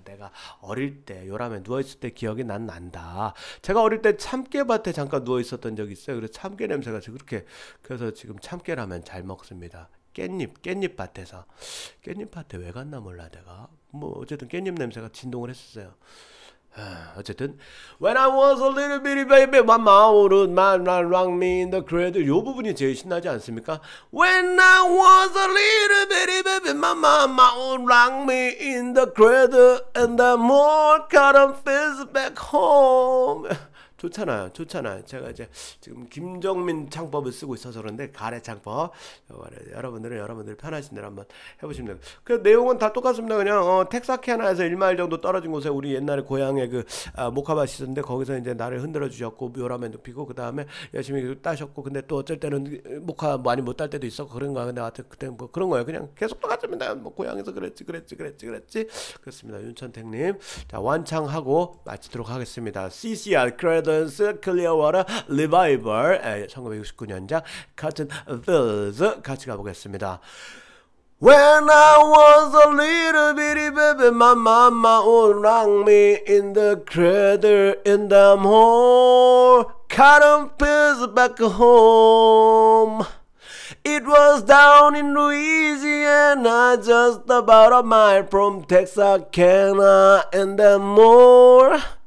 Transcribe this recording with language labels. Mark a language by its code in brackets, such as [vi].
[ko] 내가 어릴 때 요람에 누워있을 때 기억이 난 난다. 제가 어릴 때 참깨밭에 잠깐 누워있었던 적이 있어요. 그래서 참깨 냄새가 그렇게 그래서 지금 참깨라면 잘 먹습니다. 깻잎밭에서 깻잎밭에 왜 갔나 몰라 내가 뭐 어쨌든 깻잎 냄새가 진동을 했었어요. 어쨌든 [en] When I was a little bitty baby, my mom would run me in the cradle. [ko] 요 부분이 제일 신나지 않습니까? [en] When I was a little bitty baby, my mom would run me in the cradle, and the more cotton fields back home. [ko] 좋잖아요, 좋잖아요. 제가 이제 지금 김정민 창법을 쓰고 있어서 그런데 가래 창법. 여러분들은 여러분들 편하신 대로 한번 해보시면 됩니다. 그 내용은 다 똑같습니다. 그냥 텍사캐나에서 1마일 정도 떨어진 곳에 우리 옛날에 고향의 그 목화밭이 있었는데 거기서 이제 나를 흔들어 주셨고 묘라면 눕히고 그 다음에 열심히 따셨고 근데 또 어쩔 때는 목화 많이 못딸 때도 있었고 그런 거야. 근데 하여튼 그때 뭐 그런 거예요. 그냥 계속 똑같습니다. 뭐 고향에서 그랬지, 그랬지, 그랬지, 그랬지. 그렇습니다. 윤천택님, 자 완창하고 마치도록 하겠습니다. CCR 그래도 클리어워터 리바이벌 1969년작 커튼 필즈 같이 가보겠습니다. [en] When I was a little bitty baby, my mama would rock me in the cradle in the morning, cotton fields back home. It was down in Louisiana, just about a mile from Texarkana in the morning.